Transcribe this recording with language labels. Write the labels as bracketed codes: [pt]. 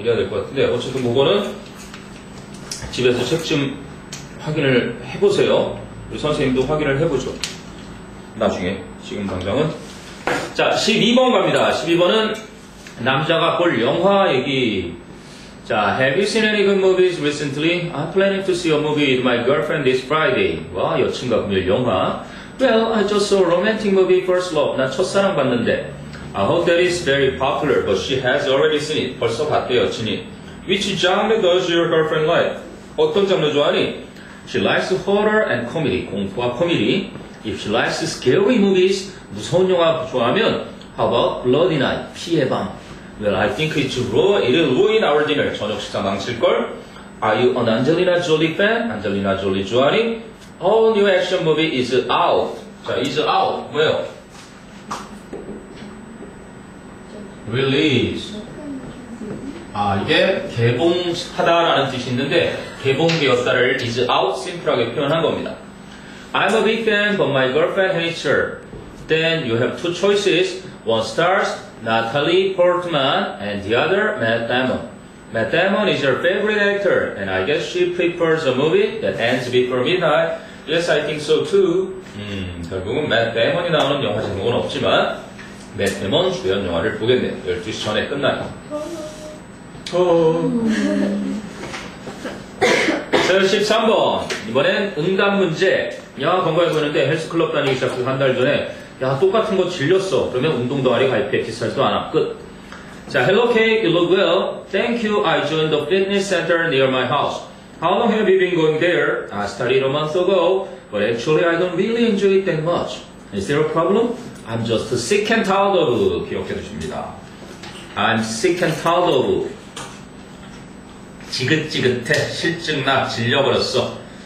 [ko] 이래야 될 것 같은데 어쨌든 그거는 집에서 책 좀 확인을 해보세요. 우리 선생님도 확인을 해보죠. 나중에, 지금 당장은. 자, 12번 갑니다. 12번은 남자가 볼 영화 얘기. [en] 자, Have you seen any good movies recently? I'm planning to see a movie with my girlfriend this Friday. [ko] 와, 여친과 금요일 영화. [en] Well, I just saw a romantic movie, First Love. [ko] 나 첫사랑 봤는데. [en] I hope that is very popular, but she has already seen it. [ko] 벌써 봤대, 여친이. [en] Which genre does your girlfriend like? [ko] 어떤 장르 좋아하니? [en] She likes horror and comedy, [ko] 공포와 코미디. [en] If she likes scary movies, [ko] 무서운 영화 좋아하면, [en] how about Bloody Night, [ko] 피의 밤? [en] Well, I think it'll ruin our dinner, [ko] 저녁 식사 망칠걸? [en] Are you an Angelina Jolie fan? Angelina Jolie [ko] 좋아하니? [en] All new action movie is out. 자, is out. [ko] 뭐예요? [en] Release. [ko] 아, 이게 개봉하다라는 뜻이 있는데 개봉되었다를 is out 심플하게 표현한 겁니다. [en] I'm a big fan, but my girlfriend hates her. Then you have two choices. One stars Natalie Portman and the other Matt Damon. Matt Damon is your favorite actor, and I guess she prefers a movie that ends before midnight. Yes, I think so too. [ko] 결국은 Matt Damon이 나오는 영화 제목은 없지만 Matt Damon 주연 영화를 보겠네. 12시 전에 끝나요. 13번. 이번엔 응답 문제. 야, 건강해보는데 헬스클럽 다니기 시작해서 한 달 전에 야, 똑같은 거 질렸어. 그러면 운동 동아리 가입해. 디스탈도 안 함. 끝. [en] 자, Hello, Kate. You look well. Thank you. I joined the fitness center near my house. How long have you been going there? I started a month ago. But actually, I don't really enjoy it that much. Is there a problem? I'm just sick and tired of. [ko] 기억해 두십니다. [en] I'm sick and tired of. [ko] 지긋지긋해. 실증나. 질려버렸어.